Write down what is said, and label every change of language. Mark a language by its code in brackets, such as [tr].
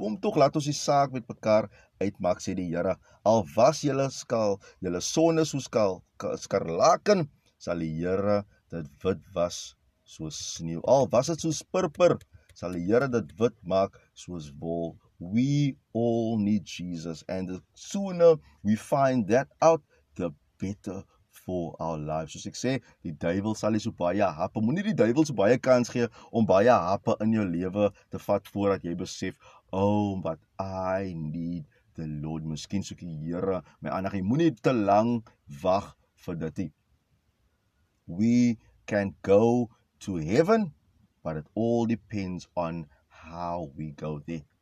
[af] Kom toch, laat ons die saak met mekaar uitmaak, sê die Here. Al was julle skaal, julle sonde soos skarlaken, sal die Here dit wit was soos sneeu. Al was het soos purper, sal die Here dit wit maak soos wol. [en] We all need Jesus, and the sooner we find that out, the better for our lives. [af] Soos ek sê, die duivel sal nie so baie happe, moet nie die duivel so baie kans gee, om baie happe in jou leven te vat, voordat jy besef, oh, [en] but I need the Lord, [af] miskien soek die Here my aandag, jy moet nie te lang wag vir dit nie. [en] We can go to heaven, but it all depends on how we go there.